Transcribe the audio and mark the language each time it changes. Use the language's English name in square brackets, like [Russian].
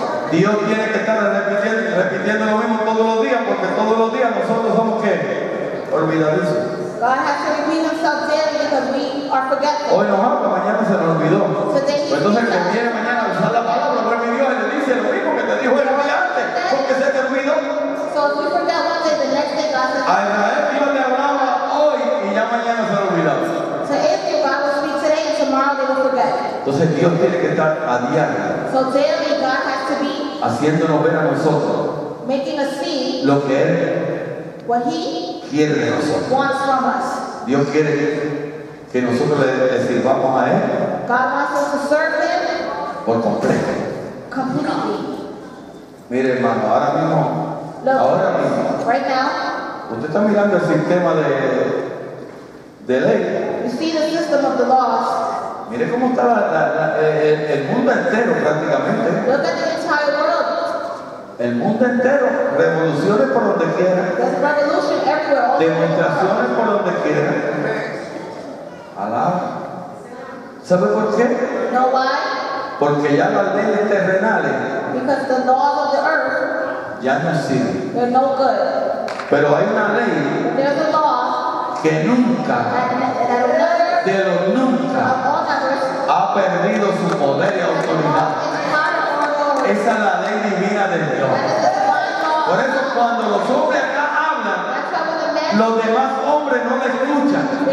[Spanish] Dios tiene que estar repitiendo lo mismo todos los días, porque todos los días nosotros somos qué. Olvidadizos. [English] God has to repeat himself daily because we are forgetful. [Spanish] Hoy nos habla, mañana se nos olvidó. Pues entonces el que viene mañana a usar la palabra, vuelve a Dios y le dice lo mismo que te dijo el día antes. Porque se te olvidó. [English] So if we forget what [Spanish] A Israel Dios le hablaba hoy y ya mañana se lo olvidaba. [English] So if your Bible speaks today, tomorrow they will forget. [Spanish] Entonces Dios tiene que estar a diario. [English] So daily God has to be [Spanish] haciéndonos ver a nosotros. [English] Making us see [Spanish] lo que él [English] what he [Spanish] quiere de nosotros. [English] Wants from us. [Spanish] Dios quiere que nosotros le sirvamos a él. [English] God wants us to serve him [Spanish] por completo. [English] Completely. [Spanish] Mire hermano, ahora mismo. [English] Look, [Spanish] ahora mismo. [English] Right now. [Spanish] Usted está mirando el sistema de ley. [English] You see the system of the laws. [Spanish] Mire cómo está el mundo entero prácticamente. [English] Look at the entire world. [Spanish] El mundo entero, revoluciones por donde quiera. [English] There's revolution everywhere. [Spanish] Demostraciones por donde quiera. Alaba. ¿Sabe por qué? [English] Know why? [Spanish] Porque ya las leyes terrenales. [English] Because the laws of the earth. [Spanish] Ya no sirve. [English] They're no good. [Spanish] Pero hay una ley que nunca de los nunca ha perdido su poder y autoridad. Esa es la ley divina de Dios. Por eso cuando los hombres acá hablan, los demás hombres no le escuchan.